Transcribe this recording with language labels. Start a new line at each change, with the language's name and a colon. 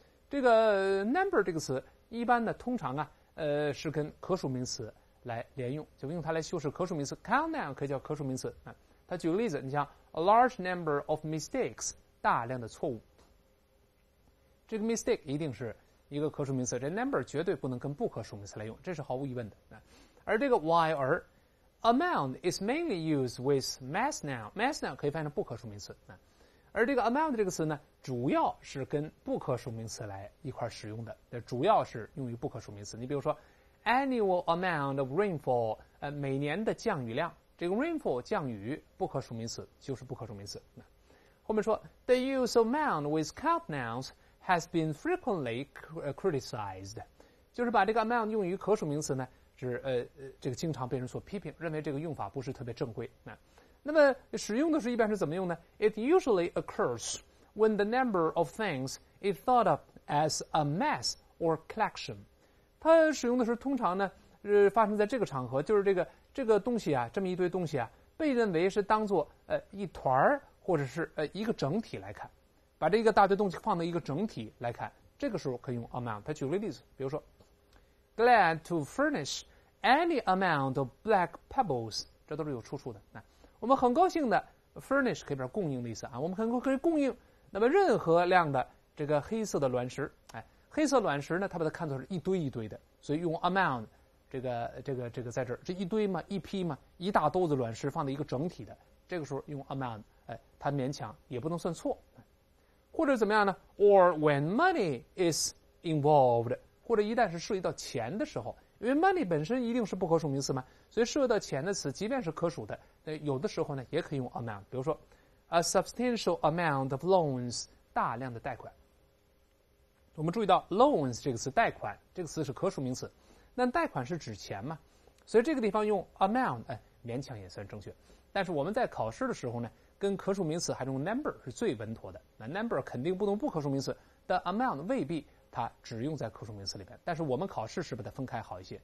Chinese: 这个 number 这个词一般呢，通常啊，是跟可数名词来连用，就用它来修饰可数名词。count noun 可以叫可数名词啊。他举个例子，你像
English: a large number of mistakes，
Chinese: 大量的错误。这个 mistake 一定是一个可数名词，这 number 绝对不能跟不可数名词来用，这是毫无疑问的。
English: 而这个 while amount is mainly used with mass noun， mass noun
Chinese: 可以翻译成不可数名词。而这个 amount 这个词呢，主要是跟不可数名词来一块使用的，主要是用于不可数名词。你比如说
English: annual amount of rainfall，
Chinese: 每年的降雨量，这个 rainfall 降雨不可数名词就是不可数名词。后面说
English: the use of amount with count nouns has been frequently criticized，
Chinese: 就是把这个 amount 用于可数名词呢，是这个经常被人所批评，认为这个用法不是特别正规。那么使用的是一般是怎么用呢？
English: It usually occurs when the number of things is thought of as a mass or collection。
Chinese: 它使用的时候通常呢是发生在这个场合，就是这个东西啊，这么一堆东西啊，被认为是当作一团或者是一个整体来看，把这个大堆东西放到一个整体来看，这个时候可以用 amount。它举个例子，比如说
English: glad to furnish any amount of black pebbles，
Chinese: 这都是有出处的。我们很高兴的 furnish 可以表示供应的意思啊，我们很高兴可以供应那么任何量的这个黑色的卵石。哎，黑色卵石呢，它把它看作是一堆一堆的，所以用 amount 这个在这儿，这一堆嘛，一批嘛，一大兜子卵石放在一个整体的，这个时候用 amount， 哎，它勉强也不能算错。或者怎么样呢？
English: Or when money is involved，
Chinese: 或者一旦是涉及到钱的时候，因为 money 本身一定是不可数名词嘛，所以涉及到钱的词，即便是可数的，有的时候呢也可以用 amount。比如说
English: a substantial amount of loans，
Chinese: 大量的贷款。我们注意到 loans 这个词，贷款这个词是可数名词，那贷款是指钱嘛，所以这个地方用 amount， 勉强也算正确。但是我们在考试的时候呢，跟可数名词还用 number 是最稳妥的，那 number 肯定不能不可数名词，但 amount 未必，它只用在可数名词里边，但是我们考试是把它分开好一些。